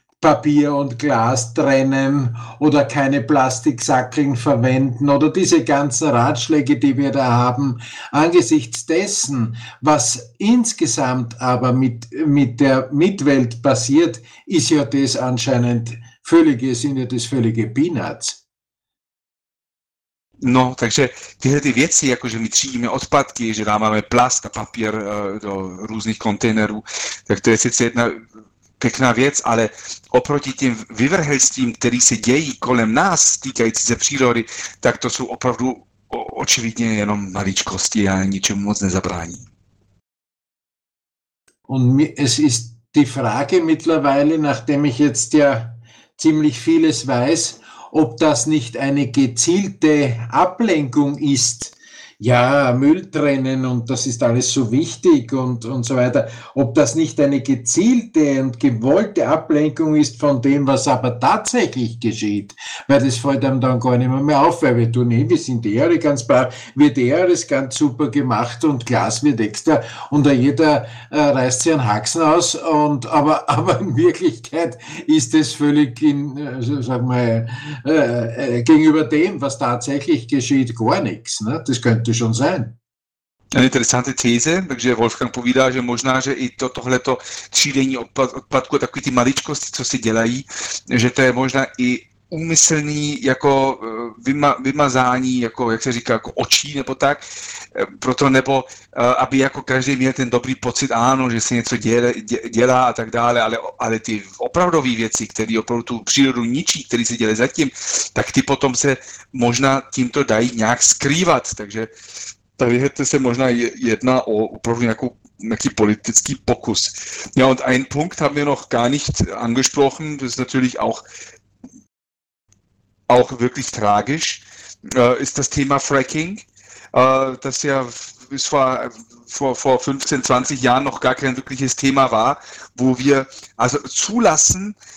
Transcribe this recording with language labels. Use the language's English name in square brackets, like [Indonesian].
[German] Papier und Glas trennen oder keine Plastiksackeln verwenden oder diese ganzen Ratschläge, die wir da haben, angesichts dessen, was insgesamt aber mit der Mitwelt passiert, ist ja das anscheinend völlige, sind ja das völlige Peanuts. [Czech] No, takže tyhle ty věci, jako že my třídíme odpadky, že dáváme plast a papír do různých kontejnerů, tak to je sice jedna pěkná věc, ale oproti těm vyvrhelstvím, který se dějí kolem nás, týkající se přírody, tak to jsou opravdu očividně jenom maličkosti a ničemu moc nezabrání. [German] Und es ist die Frage mittlerweile, nachdem ich jetzt ja ziemlich vieles weiß, ob das nicht eine gezielte Ablenkung ist. Ja, Müll trennen und das ist alles so wichtig und so weiter. Ob das nicht eine gezielte und gewollte Ablenkung ist von dem, was aber tatsächlich geschieht. Weil das fällt einem dann gar nicht mehr auf, weil wir tun eh, wir sind eh alle ganz brav, wird eh alles ganz super gemacht und Glas wird extra und jeder reißt sich einen Haxen aus. Und, aber in Wirklichkeit ist das völlig in, sag mal, gegenüber dem, was tatsächlich geschieht, gar nichts. Ne? Das könnte schon sein. Eine interessante These, [Czech] takže Wolfgang povídá, že možná, že i to, tohleto třídění odpadku, takový ty maličkosti, co si dělají, že to je možná i úmyslný jako vymazání, jako, jak se říká, jako očí nebo tak, proto nebo, aby jako každý měl ten dobrý pocit, ano, že se něco dělá a tak dále, ale ty opravdové věci, které opravdu tu přírodu ničí, které se dělají zatím, tak ty potom se možná tímto dají nějak skrývat, takže tady to se možná jedná o opravdu nějaký politický pokus. [German] Ja, und ein Punkt haben wir noch gar nicht angesprochen, das ist natürlich auch wirklich tragisch, ist das Thema Fracking, das ja bis vor 15, 20 Jahren noch gar kein wirkliches Thema war, wo wir also zulassen,